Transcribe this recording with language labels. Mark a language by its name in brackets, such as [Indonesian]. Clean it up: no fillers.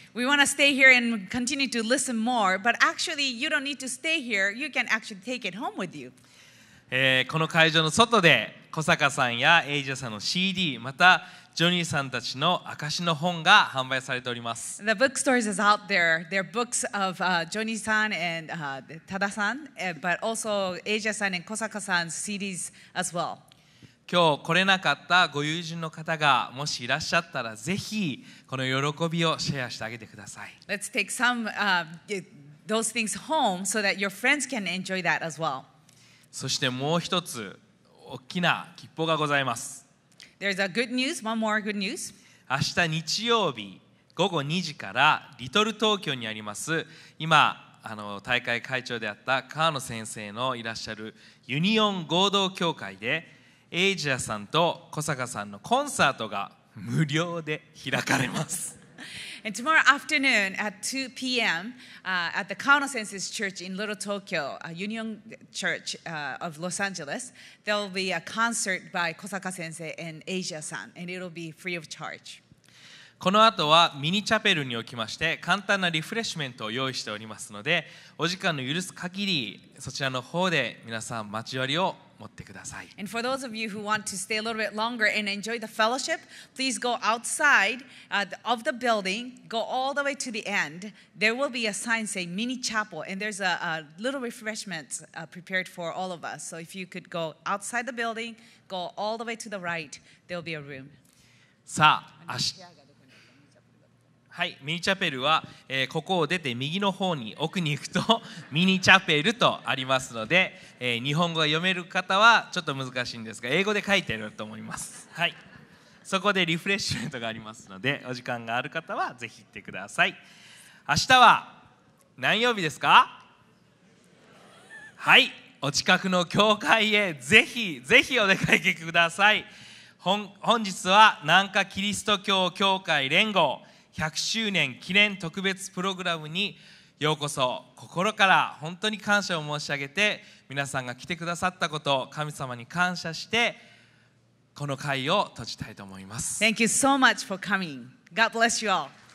[English] We want to stay here and continue to listen more, but actually you don't need to stay here. You can actually take it home with you. [Japanese] この会場の外で小坂さんやエイジャさんの CD、 またジョニーさんたちの証の本が販売されております。 [English] The bookstore is out there. There are books of Johnny san and Tada san, but also Asia san and Kosaka san's CDs as well. [Japanese] 今日来れなかったご友人の方がもしいらっしゃったら、ぜひこの喜びをシェアしてあげてください。 [English] Let's take some those things home so that your friends can enjoy that as well. [Japanese] そしてもう一つ大きな吉報がございます。 [English] There's a good news, one more good news. [Japanese] 明日日曜日午後2時からリトル東京にあります、今大会会長であった川野先生のいらっしゃるユニオン合同協会で、エイジアさんと小坂さんのコンサートが無料で開かれます。 [English] And tomorrow afternoon at 2 p.m. At the Kano Sensei's Church in Little Tokyo, Union Church of Los Angeles, there will be a concert by Kosaka Sensei and Asia San, and it will be free of charge. [Japanese] この後はミニチャペルにおきまして簡単なリフレッシュメントを用意しておりますので、お時間の許す限りそちらの方で皆さん待ち割りを持ってください。 [English] And for those of you who want to stay a little bit longer and enjoy the fellowship, please go outside of the building, go all the way to the end. There will be a sign saying mini chapel, and there's a little refreshment prepared for all of us. So if you could go outside the building, go all the way to the right, there will be a room. [Japanese] さあ、明日。はい、ミニチャペルは、ここを出て右の方に奥に行くとミニチャペルとありますので、日本語が読める方はちょっと難しいんですが英語で書いてると思います、はい、そこでリフレッシュメントがありますのでお時間がある方はぜひ行ってください。明日は何曜日ですか？はい、お近くの教会へぜひぜひお出かけください。本日は南下キリスト教教会連合100周年記念特別プログラムにようこそ。心から本当に感謝を申し上げて、皆さんが来てくださったことを神様に感謝して、この会を閉じたいと思います。 [English] Thank you so much for coming. God bless you all.